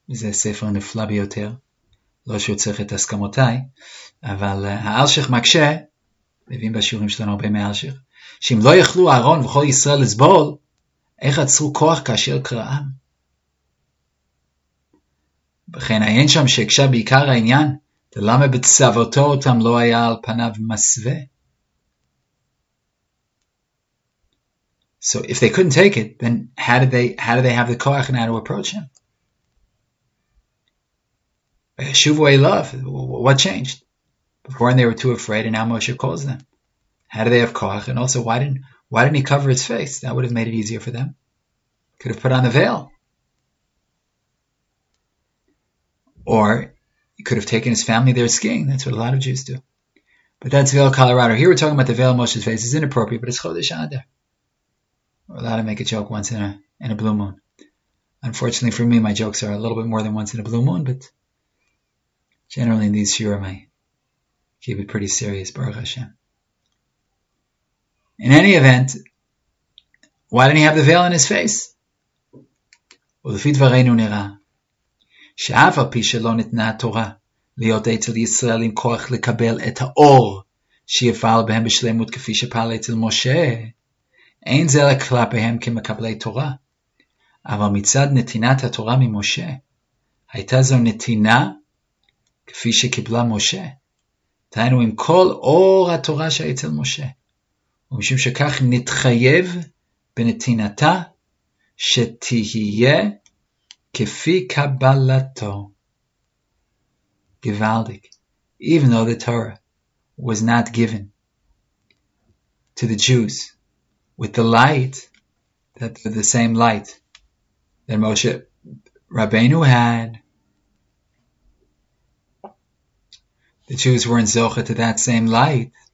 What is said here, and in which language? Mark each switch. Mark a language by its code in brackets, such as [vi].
[he] זה ספר נפלא ביותר, לא שהוא צריך את הסכמותיי, אבל האלשך מקשה, מביאים בשיעורים שלנו הרבה מהאלשך, שאם לא יכלו אהרון וכל ישראל לסבול, איך עצרו כוח כאשר קראם? וכן עיין שם שהקשה בעיקר העניין, ולמה בצוותו אותם לא היה על פניו מסווה? [en] So if they couldn't take it, then how did they have the koach now to approach him? Shuvu Eilav, what changed? Before they were too afraid, and now Moshe calls them. How do they have koach? And also, why didn't he cover his face? That would have made it easier for them. Could have put on the veil. Or he could have taken his family there skiing. That's what a lot of Jews do. But that's Vail, Colorado. Here we're talking about the veil on Moshe's face. It's inappropriate, but it's Chodesh Adar. We're allowed to make a joke once in a blue moon. Unfortunately for me, my jokes are a little bit more than once in a blue moon, but generally in these shiurim, I keep it pretty serious, Baruch Hashem. In any event, why didn't he have the veil on his face? [he] ולפי דברינו נראה, שאף על פי שלא ניתנה התורה להיות אצל ישראל עם כוח לקבל את האור שיפעל בהם בשלמות כפי שפעל אצל משה, אין זה לכלפיהם כמקבלי תורה, אבל מצד נתינת התורה ממשה, הייתה זו נתינה כפי שקיבלה משה, תהיינו עם כל אור התורה שהיה אצל משה, ומשום שכך נתחייב בנתינתה שתהיה כפי קבלתו. [yi] Gewaldig. [en] Even though the Torah was not given to the Jews with the light, that the same light that Moshe Rabbeinu had, the Jews weren't zocha to that same light.